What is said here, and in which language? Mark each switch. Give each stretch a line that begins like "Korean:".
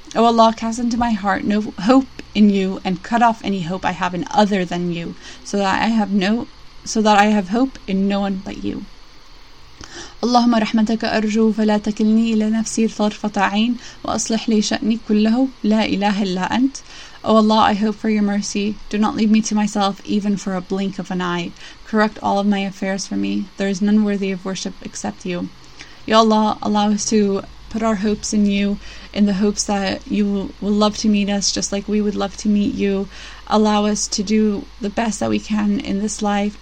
English: O Allah, cast into my heart no hope in you and cut off any hope I have in other than you, so that I have hope in no one but you.
Arabic: اللهم رحمتك أرجو فلا تكلني إلى نفسي طرفة عين وأصلح لي شأني كله لا إله إلا أنت.
English: O Allah, I hope for your mercy. Do not leave me to myself even for a blink of an eye. Correct all of my affairs for me. There is none worthy of worship except you. Ya Allah, allow us to put our hopes in you, in the hopes that you will love to meet us just like we would love to meet you. Allow us to do the best that we can in this life.